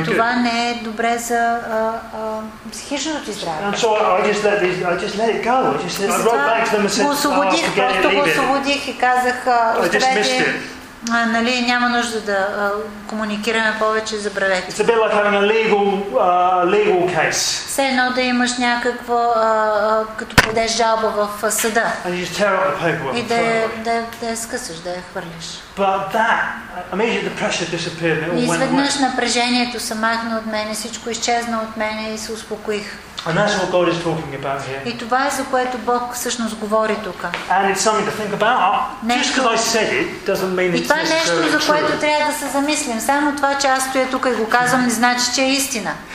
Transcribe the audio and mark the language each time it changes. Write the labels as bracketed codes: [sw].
[bg] И това не е добре за психичното ти здраве. [en] And so I just let it go. I wrote back to them and said, [bg] и казах, [en] I just missed it. [bg] Нали, няма нужда да комуникираме повече, забравете. [en] It's a bit like having a legal case. [bg] Все едно да имаш някакво, като подеш жалба в съда. [en] And you just tear up the paperwork. [bg] И да я скъсаш, да я хвърлиш. [en] But that, immediately the pressure disappeared. It all went away. [bg] Изведнъж напрежението се махна от мене, всичко изчезна от мене и се успокоих. [en] And that's what God is talking about here. [bg] И това е за което Бог всъщност говори тук. [en] And it's something to think about. Just because I said it doesn't mean it's true. [bg] И това е нещо, за което трябва да се замислим. Само това, че аз стоя тук и го казвам, не значи, че е истина.